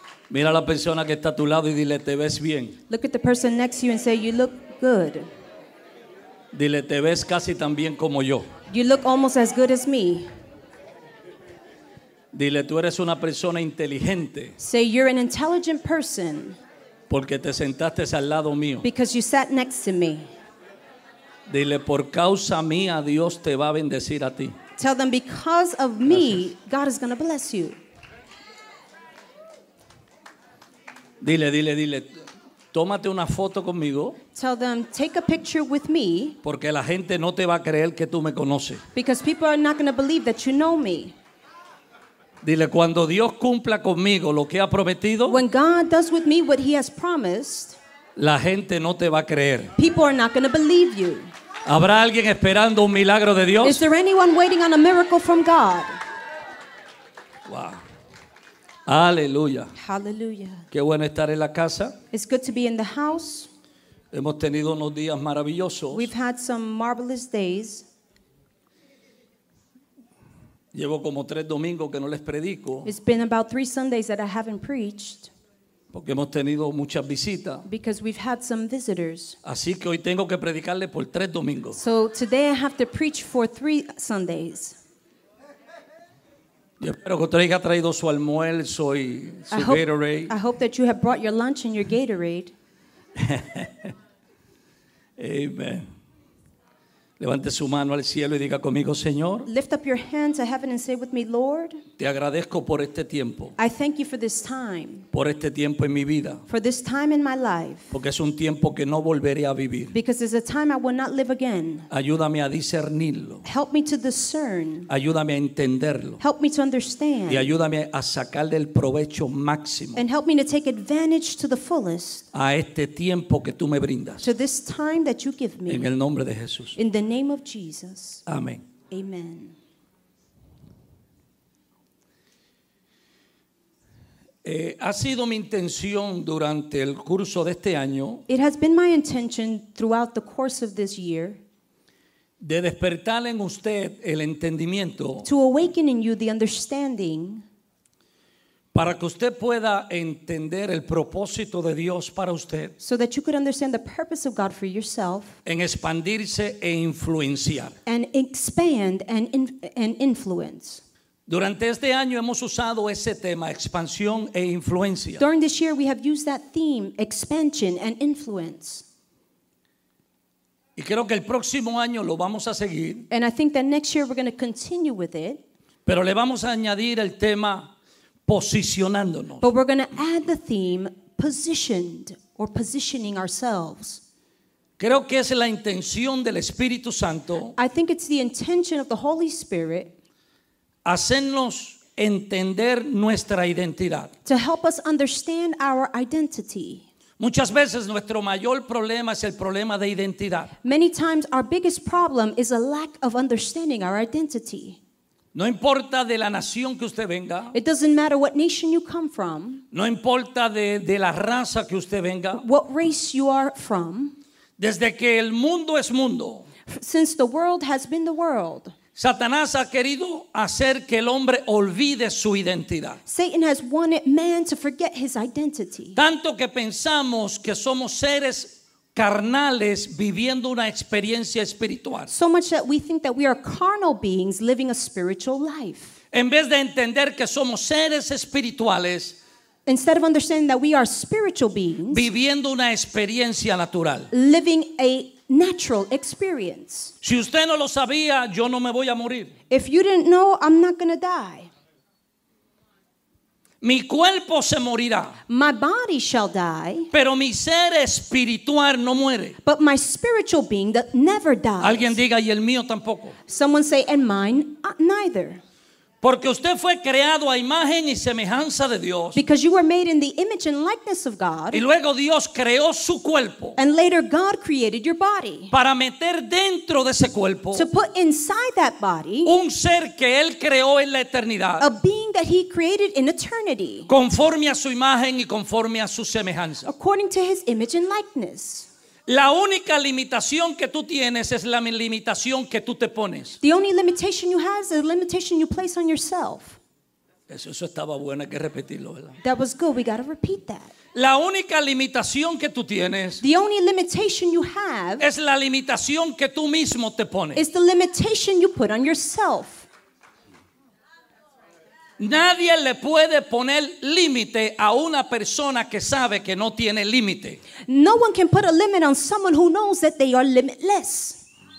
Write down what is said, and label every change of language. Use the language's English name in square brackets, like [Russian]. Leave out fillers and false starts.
[Spanish] Mira a la persona que está a tu lado y dile, te ves bien. [English] Look at the person next to you and say, you look good. [Spanish] Dile, te ves casi tan bien como yo. [English] You look almost as good as me. [Spanish] Dile, tú eres una persona inteligente. [English] Say, you're an intelligent person. [Spanish] Porque te sentaste al lado mío. [English] Because you sat next to me. [Spanish] Dile, por causa mía, Dios te va a bendecir a ti. [English] Tell them, because of me, gracias. God is going to bless you. [Spanish] Dile. Tómate una foto conmigo. [English] Tell them, take a picture with me. [Spanish] Porque la gente no te va a creer que tú me conoces. [English] Because people are not going to believe that you know me. [Spanish] Dile, cuando Dios cumpla conmigo lo que ha prometido. [English] When God does with me what he has promised. [Spanish] La gente no te va a creer. [English] People are not going to believe you. [Spanish] ¿Habrá alguien esperando un milagro de Dios? [English] Is there anyone waiting on a miracle from God? [Spanish] Wow. Aleluya. [English] Hallelujah. [Spanish] Qué bueno estar en la casa. [English] It's good to be in the house. [Spanish] Hemos tenido unos días maravillosos. [English] We've had some marvelous days. [Spanish] Llevo como tres domingos que no les predico. [English] It's been about three Sundays that I haven't preached. [Spanish] Porque hemos tenido muchas visitas. [English] Because we've had some visitors. [Spanish] Así que hoy tengo que predicarle por tres domingos. [English] So today I have to preach for three Sundays. [Spanish] Yo espero que usted haya traído su almuerzo y su Gatorade. [English] I hope that you have brought your lunch and your Gatorade. [Spanish] Amen. Levante su mano al cielo y diga conmigo, Señor. [English] Lift up your hands to heaven and say with me, Lord. [Spanish] Te agradezco por este tiempo. [English] I thank you for this time. [Spanish] Por este tiempo en mi vida. [English] For this time in my life. [Spanish] Porque es un tiempo que no volveré a vivir. [English] Because it's a time I will not live again. [Spanish] Ayúdame a discernirlo. [English] Help me to discern. [Spanish] Ayúdame a entenderlo. [English] Help me to understand. [Spanish] Y ayúdame a sacarle el provecho máximo. [English] And help me to take advantage to the fullest. [Spanish] A este tiempo que tú me brindas. [English] To this time that you give me. [Spanish] En el nombre de Jesús. [English] In the name of Jesus. [Spanish] Amén. [English] Amen. [Spanish] Ha sido mi intención durante el curso de este año. [English] It has been my intention throughout the course of this year. [Spanish] De despertar en usted el entendimiento. [English] To awaken in you the understanding. [Spanish] Para que usted pueda entender el propósito de Dios para usted. [English] So that you could understand the purpose of God for yourself. [Spanish] En expandirse e influenciar. [English] And expand and influence. [Spanish] Durante este año hemos usado ese tema, expansión e influencia. [English] During this year we have used that theme, expansion and influence. [Spanish] Y creo que el próximo año lo vamos a seguir. [English] And I think that next year we're going to continue with it. [Spanish] Pero le vamos a añadir el tema posicionándonos. [English] But we're going to add the theme positioned or positioning ourselves. [Spanish] Creo que es la intención del Espíritu Santo. [English] I think it's the intention of the Holy Spirit. [Spanish] Hacernos entender nuestra identidad. [English] To help us understand our identity. [Spanish] Muchas veces nuestro mayor problema es el problema de identidad. [English] Many times our biggest problem is a lack of understanding our identity. [Spanish] No importa de la nación que usted venga. [English] It doesn't matter what nation you come from. [Spanish] No importa de la raza que usted venga. [English] What race you are from. [Spanish] Desde que el mundo es mundo. [English] Since the world has been the world. [Spanish] Satanás ha querido hacer que el hombre olvide su identidad. [English] Satan has wanted man to forget his identity. [Spanish] Tanto que pensamos que somos seres carnales viviendo una experiencia espiritual. [English] So much that we think that we are carnal beings living a spiritual life. [Spanish] En vez de entender que somos seres espirituales. [English] Instead of understanding that we are spiritual beings. [Spanish] Viviendo una experiencia natural. [English] Living a natural experience. [Spanish] Si usted no lo sabía, yo no me voy a morir. [English] If you didn't know, I'm not going to die. [Spanish] Mi cuerpo se morirá. [English] My body shall die. [Spanish] Pero mi ser espiritual no muere. [English] But my spiritual being that never dies. [Spanish] Alguien diga, y el mío tampoco. [English] Someone say, and mine neither. [Spanish] Porque usted fue creado a imagen y semejanza de Dios. [English] Because you were made in the image and likeness of God. [Spanish] Y luego Dios creó su cuerpo. [English] And later God created your body. [Spanish] Para meter dentro de ese cuerpo. [English] To put inside that body. [Spanish] Un ser que él creó en la eternidad. [English] A being that he created in eternity. [Spanish] Conforme a su imagen y conforme a su semejanza. [English] According to his image and likeness. [Spanish] La única limitación que tú tienes es la limitación que tú te pones. [English] The only limitation you have is the limitation you place on yourself. [Spanish] Eso estaba bueno, hay que repetirlo, ¿verdad? [English] That was good, we got to repeat that. [Spanish] La única limitación que tú tienes, [English] the only limitation you have, [Spanish] es la limitación que tú mismo te pones. [English] Is the limitation you put on yourself. [Spanish] Nadie le puede poner límite a una persona que sabe que no tiene límite. [English] No one can put a limit on someone who knows that they are limitless.